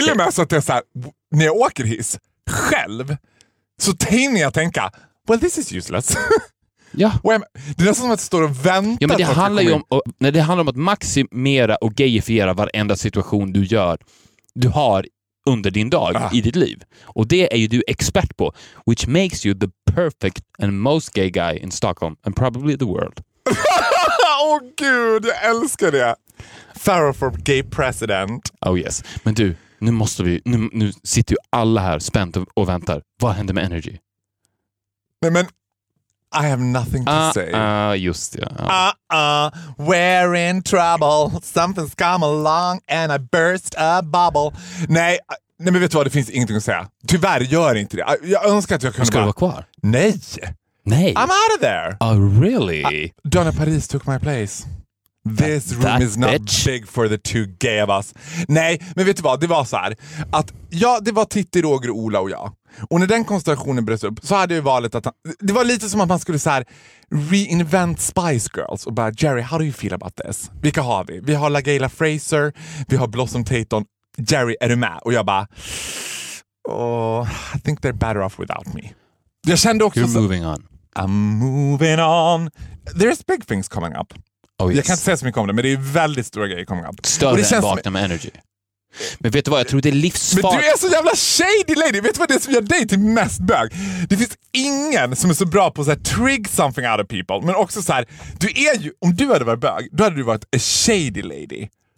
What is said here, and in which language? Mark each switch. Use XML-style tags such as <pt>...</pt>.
<sv>Till och med så att det är så här, när jag åker hiss själv, så tänker jag tänka,</sv> <en>well, this is useless.</en> <sv>Ja. Det är nästan som att jag står och väntar. Ja, men det handlar ju om, nej, det handlar om att maximera och gayifiera varenda situation du gör, du har under din dag, i ditt liv. Och det är ju du expert på.</sv> <en>Which makes you the perfect and most gay guy in Stockholm and probably the world.</en> <sv>Åh gud, jag älskar det.</sv> <en>Farrah for gay president. Oh yes.</en> <sv>Men du, nu måste vi, nu sitter ju alla här spänt och väntar. Vad händer med energy? Nej, men</sv> <en>I have nothing to say.</en> <sv>Just det.</sv> <en>We're in trouble. Something's come along and I burst a bubble.</en> <sv>Nej, men vet du vad? Det finns ingenting att säga. Tyvärr gör inte det. Jag önskar att jag kunde ska vara kvar. Nej.</sv> <en>I'm out of there. Oh, really? Donna Paris took my place. This that room is not bitch. Big for the two gay of us.</en> <sv>Nej, men vet du vad? Det var så här. Att ja, det var Titti, Roger, Ola och jag. Och när den konstellationen bröt upp så hade ju valet att han, det var lite som att man skulle så här reinvent Spice Girls och bara, Jerry,</sv> <en>how do you feel about this?</en> <sv>Vilka har vi? Vi har LaGayla Fraser, vi har Blossom Tayton. Jerry, är du med? Och jag bara,</sv> <en>oh, I think they're better off without me.</en> <sv>Jag kände också,</sv> <en>you're moving on. I'm moving on. There's big things coming up. Oh, yes.</en> <sv>Jag kan inte säga så mycket om det, men det är väldigt stora grejer</sv> <en>coming up.</en> <sv>Större än vakna med energy. Men vet du vad, jag tror det är livsfarligt. Men du är så jävla shady lady. Vet du vad det är som gör dig till mest bög? Det finns ingen som är så bra på att</sv> <en>trig something out of people.</en> <sv>Men också så här, du är ju, om du hade varit bög, då hade du varit</sv> <en>a shady lady.</en>